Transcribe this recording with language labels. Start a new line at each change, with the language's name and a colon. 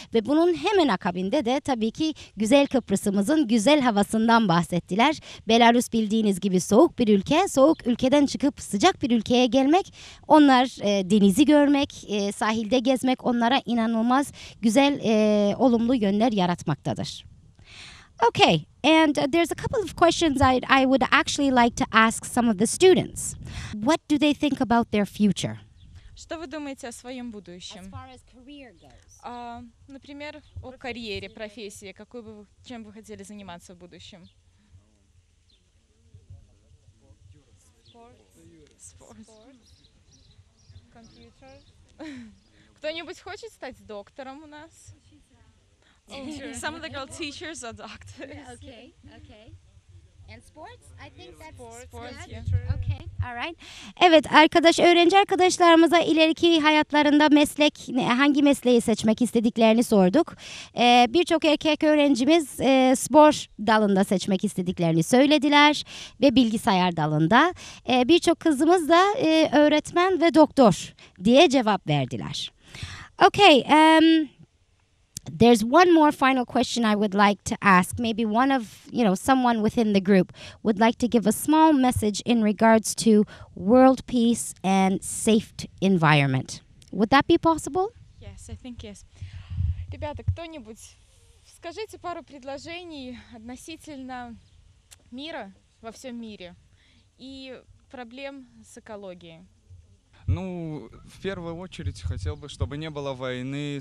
Turkish: Ve bunun hemen akabinde de tabii ki güzel Kıbrıs'ımızın güzel havasından bahsettiler. Belarus bildiğiniz gibi soğuk bir ülke. Soğuk ülkeden çıkıp sıcak bir ülkeye gelmek, onlar denizi görmek, sahilde gezmek onlara inanılmaz güzel, olumlu yönler yaratmaktadır.
English: Okay, and there's a couple of questions I would actually like to ask some of the students. What do they think about their future?
Russian: Что вы думаете о своем будущем?
English: As far as career goes.
Russian: Например, о карьере, профессии, какой бы, чем бы хотели заниматься в будущем?
English: Sports. Computer.
Russian: Кто-нибудь хочет стать доктором у нас?
English: Oh, some of the girl teachers are doctors. Yeah, okay, okay. And sports? I think that's sports. Okay, all right.
Turkish: Evet, arkadaş, öğrenci arkadaşlarımıza ileriki hayatlarında meslek, hangi mesleği seçmek istediklerini sorduk. Birçok erkek öğrencimiz spor dalında seçmek istediklerini söylediler ve bilgisayar dalında. Birçok kızımız da öğretmen ve doktor diye cevap verdiler.
English: Okay, there's one more final question I would like to ask. Maybe one of, you know, someone within the group would like to give a small message in regards to world peace and safe environment. Would that be possible? Yes, I think yes.
Russian: Ребята, кто-нибудь, скажите пару предложений относительно мира во всем мире и проблем с экологией. Ну, в первую очередь хотел бы, чтобы не было войны.